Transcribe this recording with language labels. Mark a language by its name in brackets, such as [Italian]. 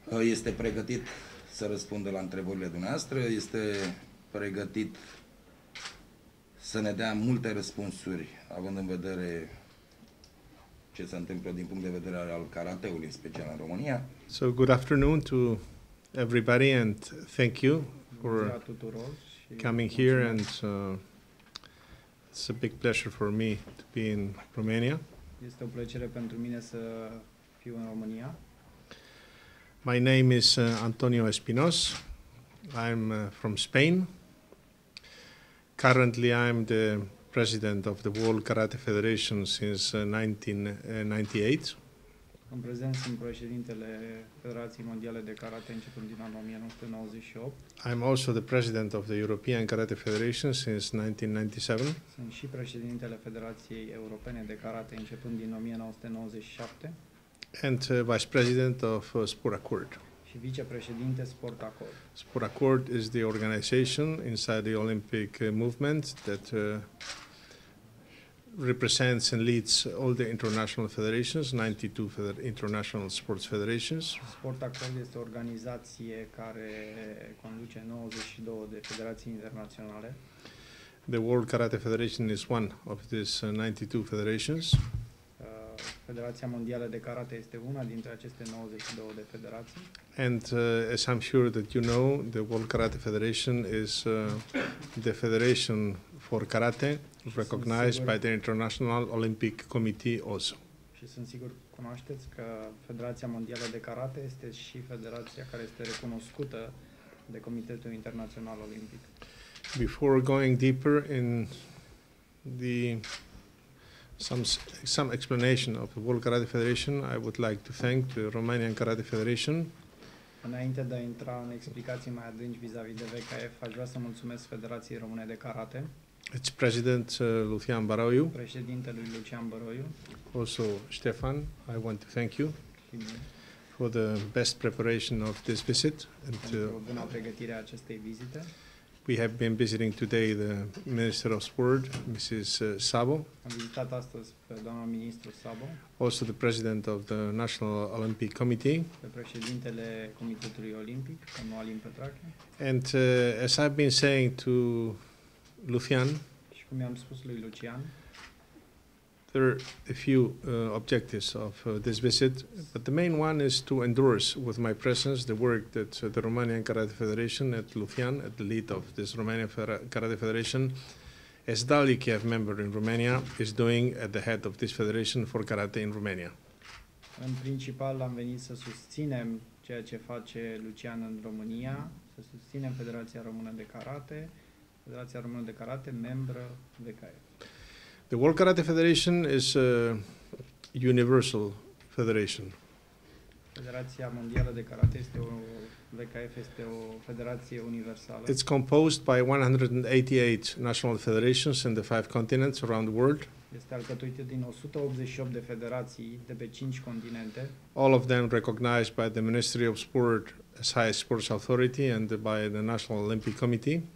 [Romanian] Este pregătit să răspundă la întrebările dumneavoastră, este pregătit să ne dea multe răspunsuri, având în vedere ce se întâmplă din punct de vedere al karateului, în special în România. [English] So, good afternoon to everybody and thank you for coming here and it's a big pleasure for me to be in Romania. [Romanian] Este o plăcere pentru mine să fiu în România. [English] My name is Antonio Espinos. I'm from Spain. Currently, I'm the president of the World Karate Federation since 1998. [Romanian] În prezent sunt președintele Federației Mondiale de Karate începând din anul 1998. [English] I'm also the president of the European Karate Federation since 1997. [Romanian] Sunt și președintele Federației Europene de Karate începând din 1997. [English] And vice president of Sport Accord. [Romanian] Și vicepreședinte Sport Accord. [English] Sport Accord is the organization inside the Olympic movement that represents and leads all the international federations, 92 international sports federations. [Romanian] Sport Accord este o organizație care conduce 92 de federații internaționale. [English] The World Karate Federation is one of these 92 federations. [Romanian] Federația Mondială de Karate este una dintre aceste 92 de federații. [English] And as I'm sure that you know, the World Karate Federation is the federation for karate recognized by the International Olympic Committee also. [Romanian] Și sunt sigur că cunoașteți că Federația Mondială de Karate este și federația care este recunoscută de Comitetul Internațional Olimpic. [English] Before going deeper in some explanation of the World Karate Federation, I would like to thank the Romanian Karate Federation. [Romanian] Înainte de a intra în explicații mai adânci vis-a-vis de VKF, aș vrea să mulțumesc Federației Române de Karate. [English] Its president Lucian Bărâiu. [Romanian] Președintele lui Lucian Bărâiu. [English] Also Stefan, I want to thank you for the best preparation of this visit [Romanian] and bună pregătire a acestei vizite. [English] We have been visiting today the Minister of Sport, Mrs. Savo. [Romanian] Am vizitat astăzi pe doamna ministru Savo. [English] Also the President of the National Olympic Committee. [Romanian] Pe președintele Comitetului Olimpic, domnul Alin Petrache. [English] And as I've been saying to Lucian, [Romanian] și cum i-am spus lui Lucian, [English] there are a few objectives of this visit, but the main one is to endorse with my presence the work that the Romanian Karate Federation at Lucian, at the lead of this Romanian Karate Federation, as Dalichev member in Romania, is doing at the head of this Federation for Karate in Romania. [Romanian] În principal am venit să susținem ceea ce face Lucian în România, să susținem Federația Română de Karate Federația Română de Karate, membră VKF. [English] The World Karate Federation is a universal federation. [Romanian] Federația Mondială de Karate este o VKF este o federație universală. [English] It's composed by 188 national federations in the five continents around the world. [Romanian] Este alcătuită din 188 de federații de pe 5 continente. [English] All of them recognized by the Ministry of Sport as highest sports authority and by the National Olympic Committee.